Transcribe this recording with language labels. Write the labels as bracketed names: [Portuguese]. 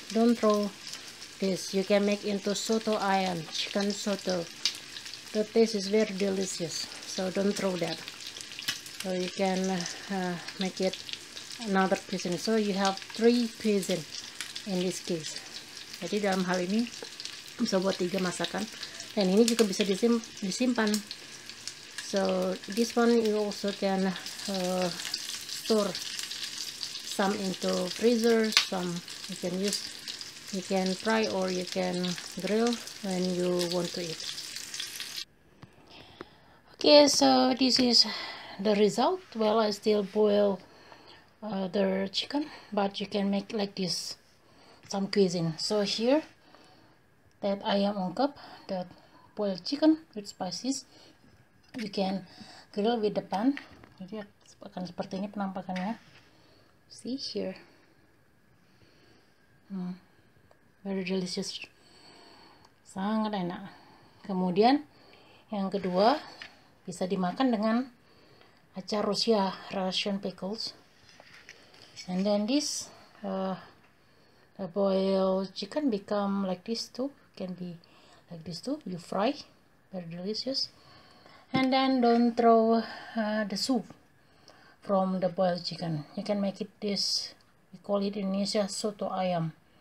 [English] Don't throw this. You can make into soto ayam, chicken soto. The taste is very delicious. So don't throw that. So you can make it another cuisine. So you have three cuisine in this case. [Indonesian] Jadi dalam hal ini bisa buat tiga masakan. Dan ini juga bisa disimpan. [English] So this one you also can store some into freezer. Some you can use, you can fry or you can grill when you want to eat. Okay, so this is the result. Well, I still boil the chicken, but you can make like this some cuisine. So here that ayam ungkep, that boiled chicken with spices, you can grill with the pan [Indonesian] dia akan seperti ini penampakannya. [English] See here. Very delicious. [Indonesian] Sangat enak. Kemudian yang kedua bisa dimakan dengan acar Rusia, Russian pickles. [English] And then this the boiled chicken become like this too. Can be like this too. You fry, very delicious. And then don't throw the soup from the boiled chicken. You can make it this. We call it in Indonesia soto ayam.